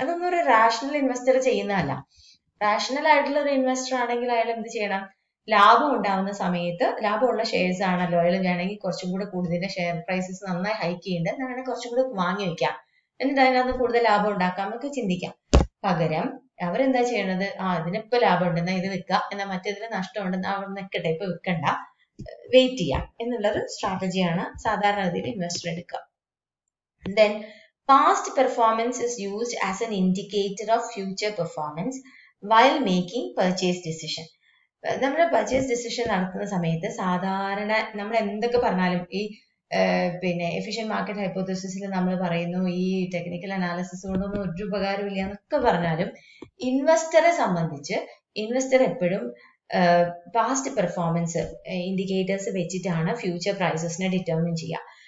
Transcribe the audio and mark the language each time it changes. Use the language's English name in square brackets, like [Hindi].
[Malayalam] അതൊന്നും ഒരു rational investor ചെയ്യുന്നതല്ല. റാഷണൽ ആയിട്ടുള്ള ഒരു ഇൻവെസ്റ്റർ ആണെങ്കിൽ അയാൾ എന്ത് ചെയ്യണം, ലാഭം ഉണ്ടാവുന്ന സമയത്ത്, ലാഭമുള്ള ഷെയർസ് ആണല്ലോ അയാൾ വേണമെങ്കിൽ കുറച്ചും കൂടെ കൂടുതലിന്റെ ഷെയർ പ്രൈസസ് നന്നായി ഹൈക്ക് ചെയ്യേണ്ട, വേണമെങ്കിൽ കുറച്ചും കൂടെ വാങ്ങി വെക്കാം, എന്നിട്ട് അതിനകത്ത് കൂടുതൽ ലാഭം ഉണ്ടാക്കാം എന്നൊക്കെ ചിന്തിക്കാം. പകരം അവരെന്താ ചെയ്യണത്, ആ ഇതിനിപ്പോ ലാഭം ഉണ്ടെന്നാ ഇത് വിൽക്കുക, എന്നാൽ മറ്റേതിന് നഷ്ടമുണ്ടെന്ന് അവിടെ നിൽക്കട്ടെ, ഇപ്പൊ വിൽക്കണ്ട, വെയിറ്റ് ചെയ്യാം എന്നുള്ളൊരു സ്ട്രാറ്റജിയാണ് സാധാരണ ഗതിയിൽ ഇൻവെസ്റ്റർ എടുക്കുക. Then [English] Past performance is used as an indicator of future performance while making purchase decision. [Malayalam] നമ്മുടെ പർച്ചേസ് ഡിസിഷൻ നടത്തുന്ന സമയത്ത് സാധാരണ നമ്മൾ എന്തൊക്കെ പറഞ്ഞാലും ഈ പിന്നെ എഫിഷ്യൻ്റ് മാർക്കറ്റ് ഹൈപ്പോത്തസിസിൽ നമ്മൾ പറയുന്നു ഈ ടെക്നിക്കൽ അനാലിസിസ് കൊണ്ടൊന്നും ഒരു ഉപകാരമില്ല എന്നൊക്കെ പറഞ്ഞാലും ഇൻവെസ്റ്ററെ സംബന്ധിച്ച് ഇൻവെസ്റ്റർ എപ്പോഴും പാസ്റ്റ് പെർഫോമൻസ് ഇൻഡിക്കേറ്റേഴ്സ് വെച്ചിട്ടാണ് ഫ്യൂച്ചർ പ്രൈസസിനെ ഡിറ്റർമിൻ ചെയ്യുക.